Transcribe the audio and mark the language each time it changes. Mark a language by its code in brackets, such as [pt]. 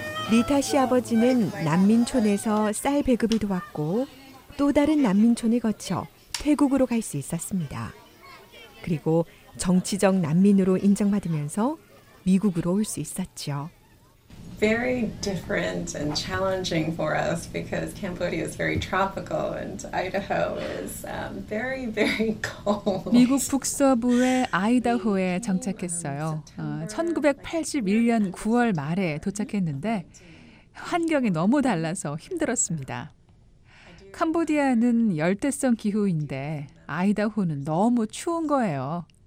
[ko] 리타 씨 아버지는 난민촌에서 쌀 배급을 도왔고 또 다른 난민촌을 거쳐 태국으로 갈 수 있었습니다. 그리고 정치적 난민으로 인정받으면서 미국으로 올 수 있었죠. [en] Very different and challenging for us because Cambodia is very tropical and Idaho is very very cold. [ko] 미국 북서부의 아이다호에 정착했어요. 1981년 9월 말에 도착했는데 환경이 너무 달라서 힘들었습니다. 캄보디아는 열대성 기후인데 아이다호는 너무 추운 거예요.